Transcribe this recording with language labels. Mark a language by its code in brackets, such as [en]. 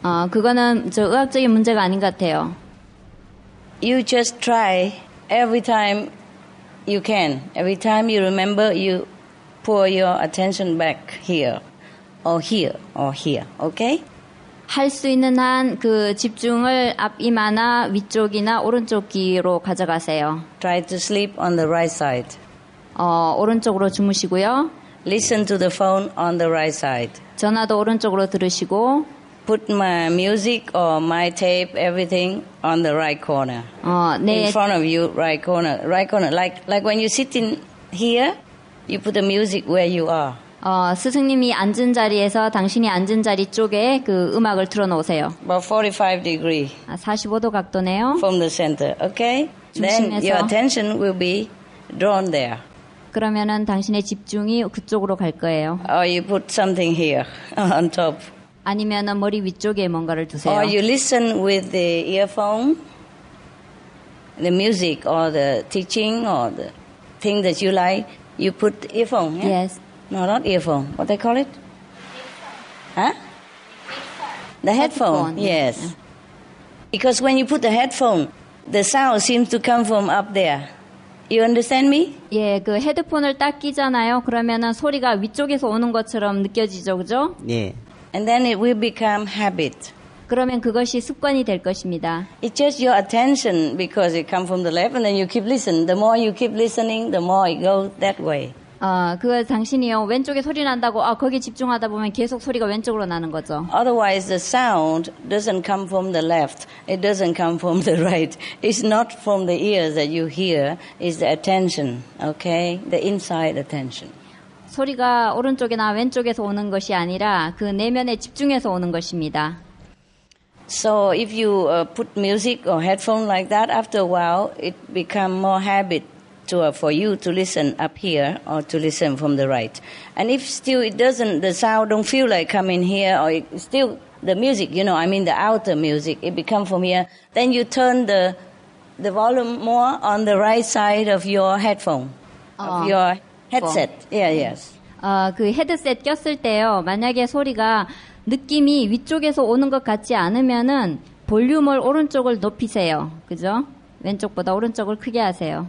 [ko] 그거는 저 의학적인 문제가 아닌 것 같아요. [en] You just try every time you can. Every time you remember, you pour your attention back here, or here, or here. Okay? [ko] 할 수 있는 한 그 집중을 앞 이마나 위쪽이나 오른쪽 귀로 가져가세요. [en] Try to sleep on the right side. [ko] 오른쪽으로 주무시고요. [en] Listen to the phone on the right side. [ko] 전화도 오른쪽으로 들으시고. [en] Put my music or my tape, everything on the right corner. [ko] 네. [en] In front of you, right corner. Right corner. Like when you sit in here, you put the music where you are. [ko] 스승님이 앉은 자리에서 당신이 앉은 자리 쪽에 그 음악을 틀어놓으세요. [en] About 45 degree. [ko] 45도 각도네요. [en] From the center, okay? [ko] 중심에서. [en] Then your attention will be drawn there. [ko] 그러면은 당신의 집중이 그쪽으로 갈 거예요. [en] Or you put something here on top. [ko] 아니면은 머리 위쪽에 뭔가를 두세요. [en] Or you listen with the earphone, the music or the teaching or the thing that you like, you put earphone. Yeah? Yes. No, not earphone. What they call it? Headphone. Huh? The headphone. Yes. Yeah. Because when you put the headphone, the sound seems to come from up there. You understand me? [ko] 예, 그 헤드폰을 딱 끼잖아요. 그러면은 소리가 위쪽에서 오는 것처럼 느껴지죠, 그죠? 네. [en] And then it will become habit. [ko] 그러면 그것이 습관이 될 것입니다. [en] It's just your attention because it comes from the left and then you keep listening. The more you keep listening, the more it goes that way. [ko] 그거 당신이요. 왼쪽에 소리 난다고 거기 집중하다 보면 계속 소리가 왼쪽으로 나는 거죠. [en] Otherwise the sound doesn't come from the left. It doesn't come from the right. It's not from the ears that you hear. It's the attention. Okay? The inside attention. [ko] 소리가 오른쪽이나 왼쪽에서 오는 것이 아니라 그 내면에 집중해서 오는 것입니다. [en] So if you put music or headphone like that, after a while, it become more habit for you to listen up here or to listen from the right. And if still it doesn't, the sound don't feel like coming here or it, still the music, you know, I mean the outer music, it become from here, then you turn the volume more on the right side of your headphone, of your headset. Yeah, yes. [ko] 그 헤드셋 꼈을 때요. 만약에 소리가 느낌이 위쪽에서 오는 것 같지 않으면은 볼륨을 오른쪽을 높이세요. 그죠? 왼쪽보다 오른쪽을 크게 하세요.